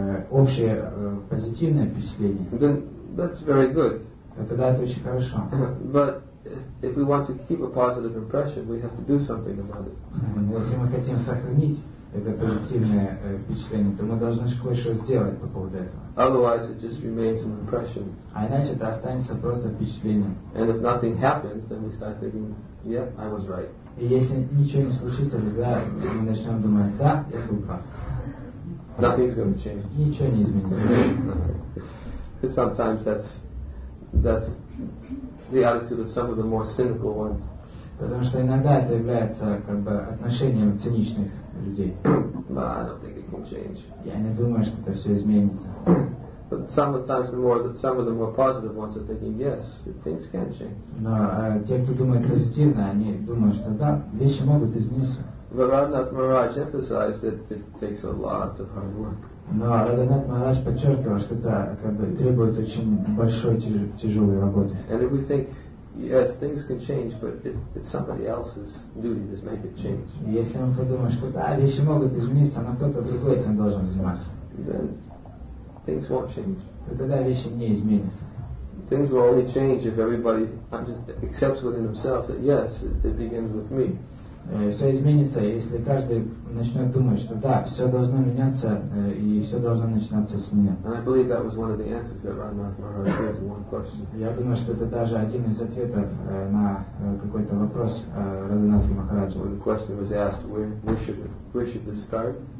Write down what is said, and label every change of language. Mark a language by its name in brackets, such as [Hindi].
[Russian] общее позитивное впечатление, [English] then that's very good. [Russian] Тогда это очень хорошо. [English] But if we want to keep a positive impression, we have to do something about it. [Russian] Если мы хотим сохранить это позитивное впечатление, то мы должны кое-что сделать по поводу этого. [English] Otherwise, it just remains an impression. [Russian] А иначе это останется просто впечатлением. [English] And if nothing happens, then we start thinking, "Yeah, I was right." [Russian] И если ничего не случится, тогда мы начнем думать, да, я был прав. [English] Nothing's going to change. [Russian] Ничего не изменится. [English] Because sometimes that's the attitude of some of the more cynical ones. [Russian] Потому что иногда это является как бы отношением циничных людей. [English] No, I don't think it can change. [Russian] Я не думаю, что это все изменится. [English] But sometimes some of the more positive ones are thinking, yes, things can change. [Russian] Но те, кто думает позитивно, они думают, что да, вещи могут измениться. [English] But Radhanath Maharaj emphasized that it takes a lot of hard work. [Russian] Но Радханат Махарадж подчеркивал, что это как бы требует очень большой тяжелой работы. [English] And if we think, yes, things can change, but it's somebody else's duty to make it change. [Russian] Если мы подумаем, что да, вещи могут измениться, но кто-то другой этим должен заниматься. [English] Then things won't change. [Russian] То тогда вещи не изменятся. [English] Things will only change if everybody accepts within himself that yes, it begins with me. [Russian] Все изменится, если каждый начнет думать, что да, все должно меняться, и все должно начинаться с меня. [English] And I believe that was one of the answers that Radhanath Maharaj gave to one question. [Russian] Я думаю, что это даже один из ответов на какой-то вопрос Радханатхи Махараджа. [English] When the question was asked, where should this start?